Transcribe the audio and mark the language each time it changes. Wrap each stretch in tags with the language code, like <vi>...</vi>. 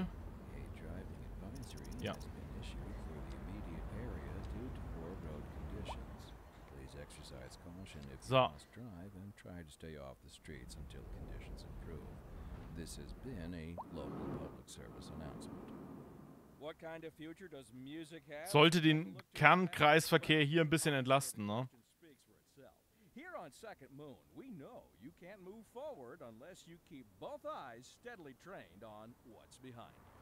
<en>A driving advisory has been issued for the immediate area due to poor road conditions. Please exercise caution if you must drive and try to stay off the streets until conditions improve. This has been a local public service announcement. What kind of future does music have?</en> <de>Sollte den Kernkreisverkehr hier ein bisschen entlasten, ne?</de> <en>Here on Second Moon, we know you can't move forward unless you keep both eyes steadily trained on what's behind.</en>